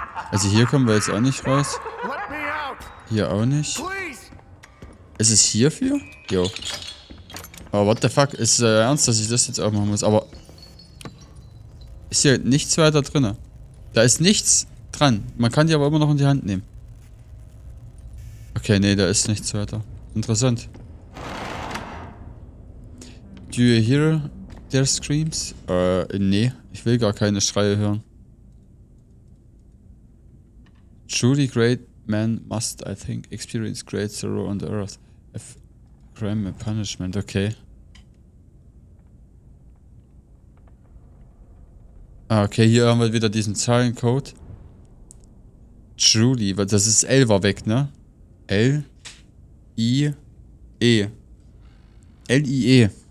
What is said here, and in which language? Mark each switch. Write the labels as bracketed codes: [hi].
[de] Also hier kommen wir jetzt auch nicht raus. Hier auch nicht. Ist es hierfür? Jo. Aber oh, [en] what the fuck, [de] ist ernst, dass ich das jetzt auch machen muss, aber... Ist hier nichts weiter drinne? Da ist nichts dran. Man kann die aber immer noch in die Hand nehmen. Okay, nee, da ist nichts weiter. Interessant. [en] Do you hear their screams? [de] Nee. Ich will gar keine Schreie hören. [en] Truly great man must, I think, experience great sorrow on the earth. If crime and punishment, okay. [de] Okay, hier haben wir wieder diesen Zahlencode. Julie, weil das ist L war weg, ne? L-I-E. L-I-E.